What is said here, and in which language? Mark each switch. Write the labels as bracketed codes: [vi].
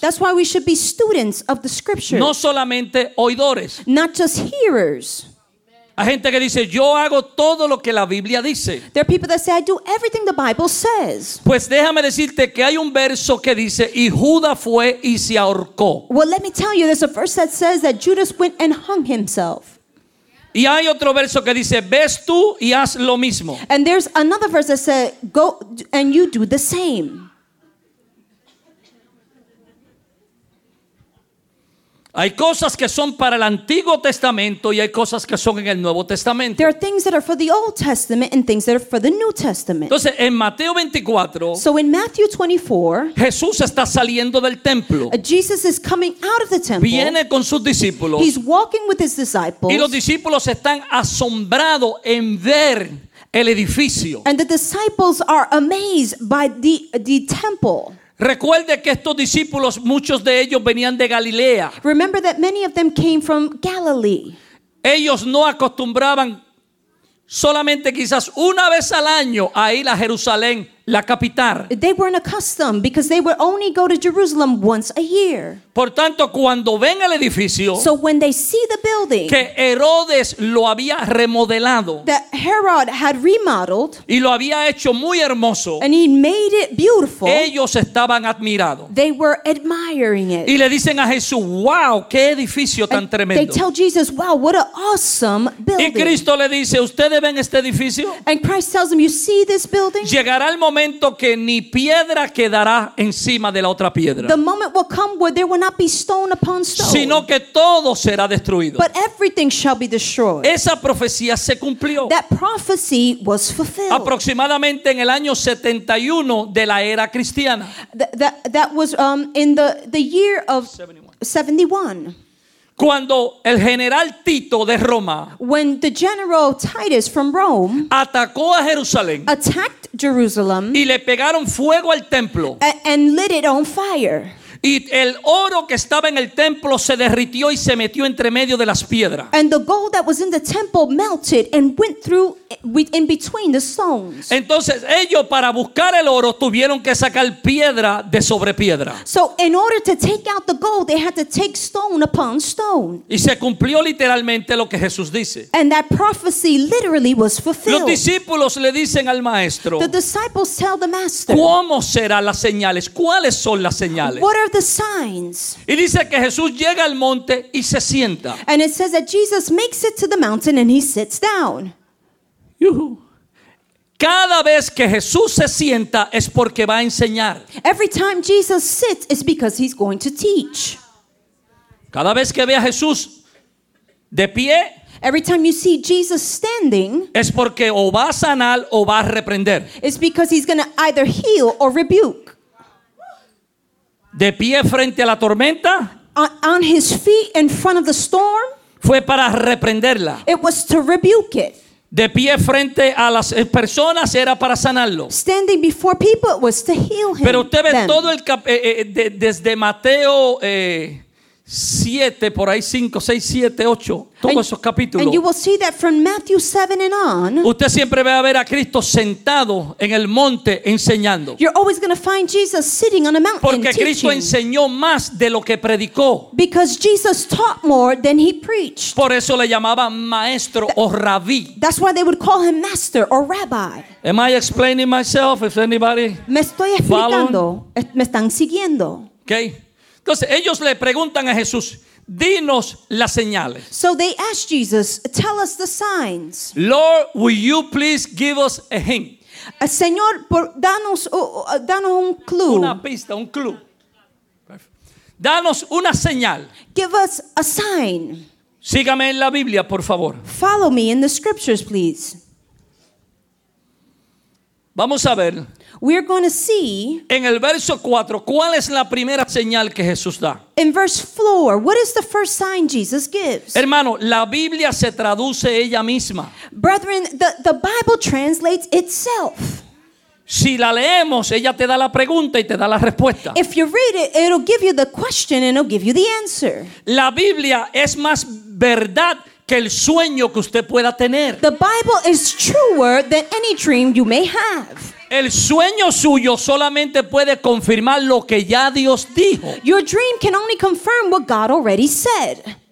[en] That's why we should be students of the scriptures. [es] No solamente oidores. [en] Not just hearers. [es] Hay gente que dice, yo hago todo lo que la Biblia dice. [en] There are people that say, I do everything the Bible says. [es] Pues déjame decirte que hay un verso que dice, y Judas fue y se ahorcó. [en] Well, let me tell you, there's a verse that says that Judas went and hung himself. [es] Y hay otro verso que dice, ves tú y haz lo mismo. [en] And there's another verse that says, go and you do the same. [es] Hay cosas que son para el Antiguo Testamento y hay cosas que son en el Nuevo Testamento. [en] There are things that are for the Old Testament and things that are for the New Testament. [es] Entonces, en Mateo 24, [en] so in Matthew 24, [es] Jesús está saliendo del templo. [en] Jesus is coming out of the temple. [es] Viene con sus discípulos. [en] He's walking with his disciples. [es] Y los discípulos están asombrados en ver el edificio. [en] And the disciples are amazed by the temple. [es] Recuerde que estos discípulos, muchos de ellos venían de Galilea. [en] Remember that many of them came from Galilee. [es] Ellos no acostumbraban solamente quizás una vez al año a ir a Jerusalén, la capital. [en] They weren't accustomed because they would only go to Jerusalem once a year. [es] Por tanto, cuando ven el edificio, [en] so when they see the building, [es] que Herodes lo había remodelado, [en] that Herod had remodeled, [es] y lo había hecho muy hermoso, [en] and he made it beautiful, [es] ellos estaban admirados. [en] They were admiring it. [es] Y le dicen a Jesús, wow, qué edificio tan tremendo. [en] They tell Jesus, wow, what an awesome building. [es] Y Cristo le dice, ¿ustedes ven este edificio? [en] And Christ tells them, you see this building? [es] Llegará el momento que ni piedra quedará encima de la otra piedra. [en] The moment will come where there will not be stone upon stone. [es] Sino que todo será destruido. [en] But everything shall be destroyed. [es] Esa profecía se cumplió. [en] That prophecy was fulfilled. [es] Aproximadamente en el año 71 de la era cristiana. [en] That was in the year of 71. [es] Cuando el general Tito de Roma, [en] when the general Titus from Rome, [es] atacó a Jerusalén, [en] attacked Jerusalem, [es] y le pegaron fuego al templo, [en] and lit it on fire, [es] Y el oro que estaba en el templo se derritió y se metió entre medio de las piedras. [en] And the gold that was in the temple melted and went through in between the stones. [es] Entonces ellos, para buscar el oro, tuvieron que sacar piedra de sobre piedra. [en] So in order to take out the gold, they had to take stone upon stone. [es] Y se cumplió literalmente lo que Jesús dice. [en] And that prophecy literally was fulfilled. [es] Los discípulos le dicen al maestro. [en] The disciples tell the master. [es] ¿Cómo serán las señales? ¿Cuáles son las señales? [en] What are the signs? [es] Y dice que Jesús llega al monte y se sienta. [en] And it says that Jesus makes it to the mountain and he sits down. [es] Cada vez que Jesús se sienta es porque va a enseñar. [en] Every time Jesus sits is because he's going to teach. [es] Cada vez que ve a Jesús de pie, [en] every time you see Jesus standing, [es] es porque o va a sanar o va a reprender. [en] It's because he's going to either heal or rebuke. [es] De pie frente a la tormenta, [en] on his feet in front of the storm, [es] fue para reprenderla. [en] It was to rebuke it. [es] De pie frente a las personas era para sanarlo. [en] Standing before people, it was to heal him. [es] Pero usted ve them. Todo el desde Mateo 7, por ahí 5, 6, 7, 8, todos esos capítulos. [en] And you will see that from Matthew 7 and on. [es] Usted siempre va a ver a Cristo sentado en el monte enseñando. [en] You're always going to find Jesus sitting on a mountain. [es] Porque Cristo [en] teaching. [es] Enseñó más de lo que predicó. [en] Because Jesus taught more than he preached. [es] Por eso le llamaban maestro o rabí. [en] That's why they would call him master or rabbi. Am I explaining myself? If anybody [es] me estoy explicando, [en] following? [es] Me están siguiendo. [en] Okay. [es] Entonces ellos le preguntan a Jesús, dinos las señales. [en] So they asked Jesus, tell us the signs. Lord, will you please give us a hint? [es] Señor, danos un clue. Una pista, un clue. Danos una señal. [en] Give us a sign. [es] Sígame en la Biblia, por favor. [en] Follow me in the scriptures, please. [es] Vamos a ver. [en] We're going to see [es] en el verso 4, ¿cuál es la primera señal que Jesús da? [en] In verse 4, what is the first sign Jesus gives? [es] Hermano, la Biblia se traduce ella misma. [en] Brethren, the Bible translates itself. [es] Si la leemos, ella te da la pregunta y te da la respuesta. [en] If you read it, it'll give you the question and it'll give you the answer. [es] La Biblia es más verdad que el sueño que usted pueda tener. [en] The Bible is truer than any dream you may have. [es] El sueño suyo solamente puede confirmar lo que ya Dios dijo. [en] Your dream can only confirm what God already said.